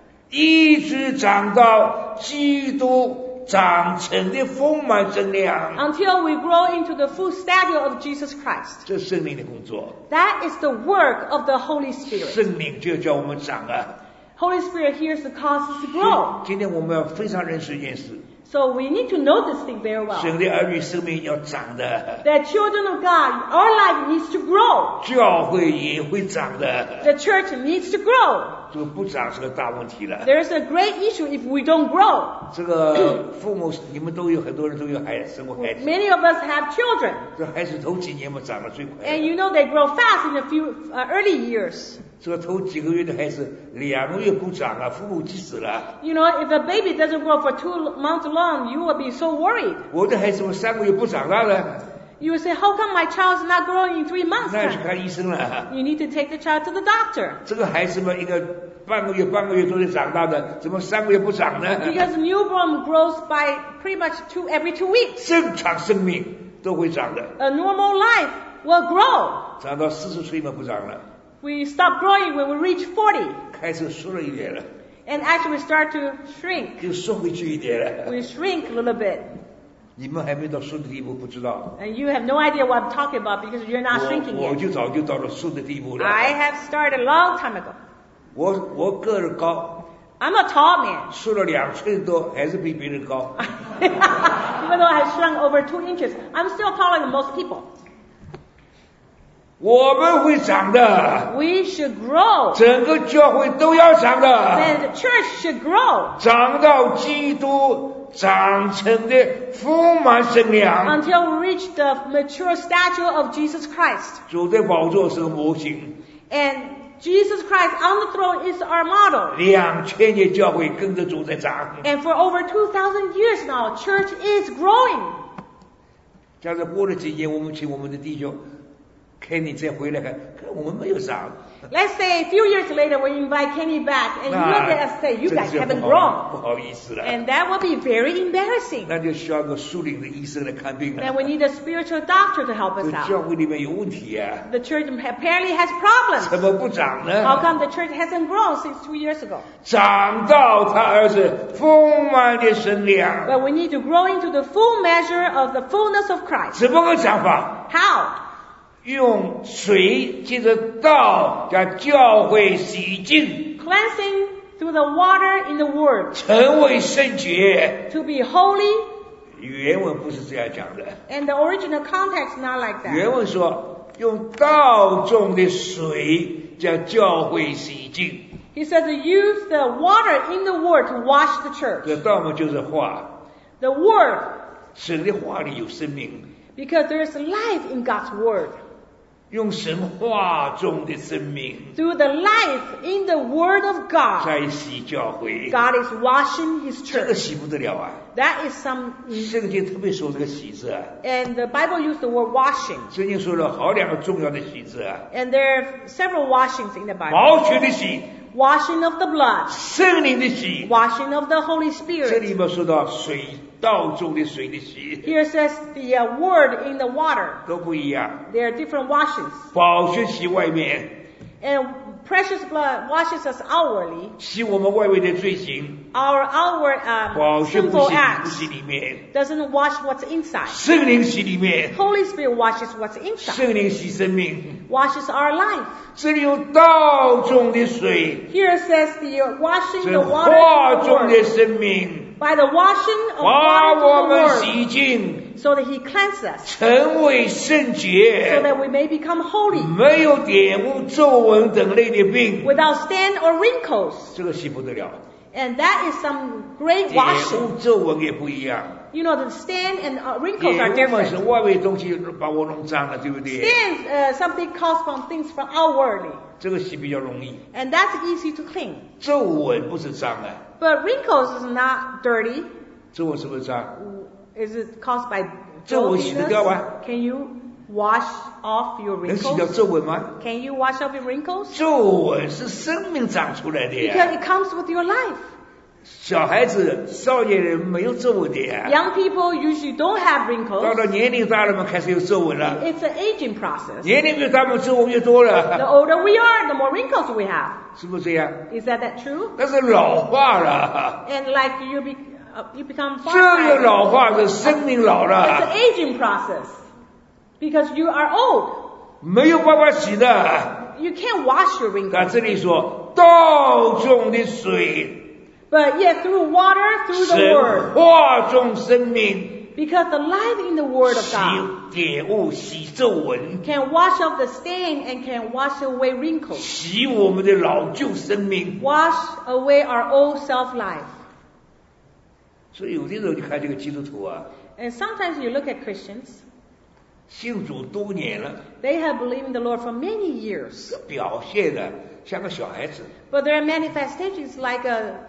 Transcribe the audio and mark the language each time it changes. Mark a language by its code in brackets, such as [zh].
[zh] 一直长到基督 长成的丰满真量, [en] until we grow into the full stature of Jesus Christ. [zh] 这圣灵的工作, [en] that is the work of the Holy Spirit. [zh] 圣灵就叫我们长啊, [en] Holy Spirit here is the cause to grow. [zh] 今天我们要非常认识一件事, [en] so we need to know this thing very well. [zh] 神的儿女生命要长的, [en] the children of God, our life needs to grow. [zh] 教会也会长的, [en] the church needs to grow. [zh] 这个不长是个大问题了, [en] there is a great issue if we don't grow. [zh] 这个父母, 你们都有很多人都有孩子, 生活孩子, [en] many of us have children. [zh] 这孩子头几年嘛长得最快, [en] and you know they grow fast in a few early years. [zh] 这个头几个月的孩子, 两个月不长啊, 父母急死了, [en] you know if a baby doesn't grow for 2 months long, you will be so worried. [zh] 我的孩子们三个月不长大了, [en] You will say, how come my child is not growing in 3 months? [zh] 那是看医生了。 [en] You need to take the child to the doctor. [zh] 这个孩子嘛，一个半个月都是长大的，怎么三个月不长呢？ [en] Because newborn grows by pretty much every two weeks. [zh] 正常生命都会长的。 [en] A normal life will grow. [zh] 长到40岁嘛不长了。 [en] We stop growing when we reach 40. [zh] 开始缩了一点了。 [en] And actually we start to shrink. [zh] 又缩回去一点了。 [en] We shrink a little bit. [zh] 你们还没到顺的地步，不知道。 [en] And you have no idea what I'm talking about because you're not shrinking yet. [zh] 我就早就到了顺的地步了。 [en] I have started a long time ago. [zh] 我个儿高。 [en] I'm a tall man. [zh] 瘦了2寸多，还是比别人高。 [en] Even though I have shrunk over 2 inches, I'm still taller than most people. [zh] 我们会长的。 [en] We should grow. [zh] 整个教会都要长的。 [en] And the church should grow. [zh] 长到基督。长成的丰满身量 [en] until we reach the mature stature of Jesus Christ. [zh] 主在宝座是个模型 [en] and Jesus Christ on the throne is our model. [zh] 2000年教会跟着主在长 [en] and for over 2000 years now, church is growing. [zh] 假如过了几年，我们请我们的弟兄 Kenny 再回来看，可我们没有长。 [en] Let's say a few years later, we invite Kenny back, and you look at us and say, you guys haven't grown. [zh] 不好意思了。 [en] And that will be very embarrassing. [zh] 那就需要个属灵的医生来看病了。 [en] And we need a spiritual doctor to help us out. [zh] 这教会里面有问题啊。 [en] The church apparently has problems. [zh] 怎么不长呢？ [en] How come the church hasn't grown since 2 years ago? [zh] 长到他儿子丰满的身量。 [en] But we need to grow into the full measure of the fullness of Christ. [zh] 怎么个想法？ [en] How? [zh] 用水接着道将教会洗净 [en] cleansing through the water in the word [zh] 成为圣洁 [en] to be holy [zh] 原文不是这样讲的 [en] and the original context not like that [zh] 原文说用道中的水将教会洗净 [en] he says use the water in the word to wash the church [zh] 这道嘛就是话 [en] the word [zh] 神的话里有生命 [en] because there is life in God's word [zh] 用神话中的生命 [en] through the life in the word of God [zh] 在洗教会 [en] God is washing his church [zh] 这个洗不得了啊 [en] that is some [zh] 圣经特别说这个洗字 [en] and the Bible used the word washing [zh] 圣经说了好两个重要的洗字 [en] and there are several washings in the Bible [zh] 毛血的洗 [en] washing of the blood [zh] 圣灵的洗 [en] washing of the Holy Spirit [zh] 这里面说到水道中的水的洗 [en] Here says the word in the water [zh] 都不一样 [en] There are different washings [zh] 宝血洗外面 [en] And precious blood washes us outwardly [zh] 洗我们外面的罪行 [en] Our outward sinful acts [zh] 里面 [en] doesn't wash what's inside [zh] 圣灵洗里面 [en] Holy Spirit washes what's inside [zh] 圣灵洗生命 [en] washes our life [zh] 这里有道中的水 [en] Here says the washing the water [zh] 话中的生命 [en] By the washing of water to the Lord, so that He cleanses us, [zh] 成为圣洁 [en] so that we may become holy, [zh] 没有玷污皱纹等类的病 [en] without stain or wrinkles. [zh] 这个洗不得了 [en] And that is some great washing. [zh] 玷污皱纹也不一样 [en] You know, the stain and wrinkles are different. [zh] 玷污嘛是外面东西把我弄脏了，对不对 [en] Stain, something caused from things from outwardly. [zh] 这个洗比较容易 [en] And that's easy to clean. [zh] 皱纹不是脏啊。 [en] But wrinkles is not dirty. [zh] 皱纹是不是脏 [en] Is it caused by dirtiness? [zh] 皱纹洗得掉吗 [en] Can you wash off your wrinkles? [zh] 能洗掉皱纹吗 [en] Can you wash off your wrinkles? [zh] 皱纹是生命长出来的呀 [en] Because it comes with your life. [zh] 小孩子少年人没有皱纹的呀 [en] Young people usually don't have wrinkles. [zh] 到了年龄大了嘛开始有皱纹了 [en] It's an aging process. [zh] 年龄越大嘛皱纹越多了 [en] The older we are, the more wrinkles we have. [zh] 是不是这样 [en] Is that that true? [zh] 但是老化了 [en] And like you become far [zh] 这个老化是生命老了 [en] It's an aging process Because you are old [zh] 没有办法洗的 [en] You can't wash your wrinkles [zh] 那这里说道中的水 [en] But yet through water through the word [zh] 神化中生命 [en] Because the life in the word of God [zh] 玷污洗皱纹 [en] can wash off the stain and can wash away wrinkles [zh] 洗我们的老旧生命 [en] wash away our old self-life [zh] 所以有的时候你看这个基督徒啊 [en] and sometimes you look at Christians [zh] 信主多年了 [en] they have believed in the Lord for many years [zh] 表现的像个小孩子 [en] but their manifestations like a